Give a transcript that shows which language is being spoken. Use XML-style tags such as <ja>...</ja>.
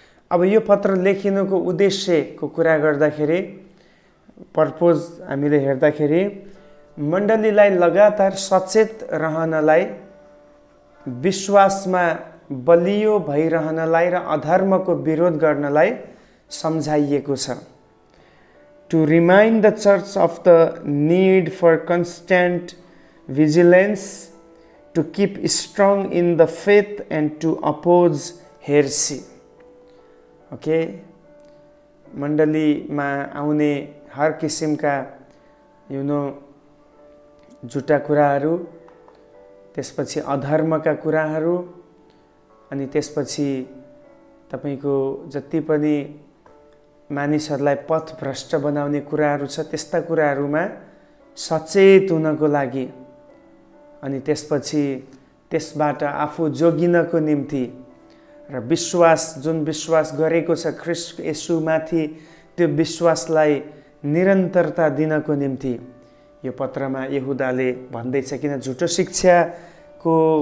<ne>अब यो पत्र लेखिनुको उद्देश्यको कुरा गर्दाखेरि पर्पोज हामीले हेर्दाखेरि मण्डलीलाई लगातार सचेत रहनलाई विश्वासमा बलियो भइरहनलाई र अधर्मको विरोध गर्नलाई सम्झाइएको छ</ne> <en>To remind the church of the need for constant vigilance, to keep strong in the faith and to oppose heresy. Okay?</en> <ne>Mandali ma aune har kisim ka,</ne> <en>you know,</en> <ne>juta kura haru, tespachi adharma ka kura haru, ani tespachi tapaiko jati pani मानिसहरूलाई पथ भ्रष्ट बनाउने कुराहरू छ त्यस्ता कुराहरूमा सचेत हुनको लागि अनि त्यसपछि त्यसबाट आफू जोगिनको निम्ति र विश्वास जुन विश्वास गरेको छ ख्रीष्ट येशूमाथि त्यो विश्वासलाई निरन्तरता दिनको निम्ति यो पत्रमा यहुदाले भन्दैछ किन झुटो शिक्षाको</ne>